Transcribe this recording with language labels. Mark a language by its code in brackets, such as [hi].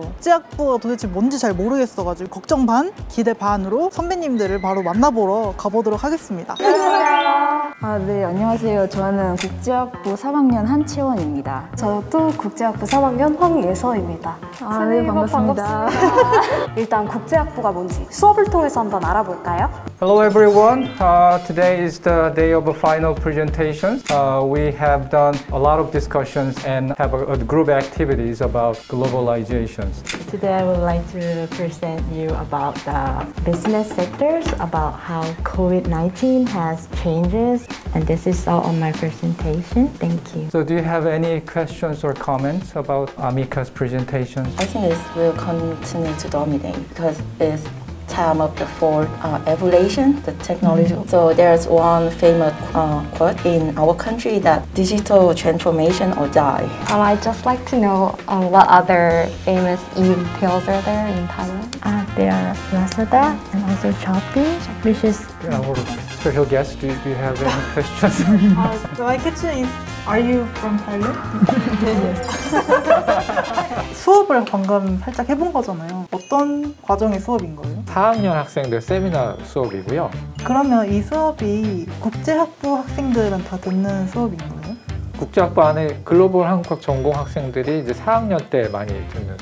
[ko] 국제학부가 도대체 뭔지 잘 모르겠어가지고 걱정 반, 기대 반으로 선배님들을 바로 만나보러 가보도록 하겠습니다. 아, 네, 안녕하세요. 저는 국제학부 3학년 한채원입니다. 저도 국제학부 3학년 황예서입니다. 아, 네, 반갑습니다. 일단 국제학부가 뭔지 수업을 통해서 한번 알아볼까요? [en] Hello everyone. Today is the day of a final presentation. We have done a lot of discussions and have a group activities about globalization. Today I would like to present you about the business sectors, about how COVID-19 has changed. And this is all on my presentation. Thank you. So do you have any questions or comments about Amika's presentation? I think this will continue to dominate because it's time of the fourth evolution, the technology. Mm-hmm. So there's one famous quote in our country that digital transformation or die. I'd just like to know what other famous e-pills are there in Thailand? There are Lazada and also Shopee, which is... Our special guest, do you have any questions? My question is, are you from Thailand? Yes. [ko] 수업을 방금 살짝 해본 거잖아요. 어떤 과정의 수업인 거예요? 4학년 학생들 세미나 수업이고요. 그러면 이 수업이 국제학부 학생들은 다 듣는 수업인 거예요? 국제학부 안에 글로벌 한국학 전공 학생들이 이제 4학년 때 많이 듣는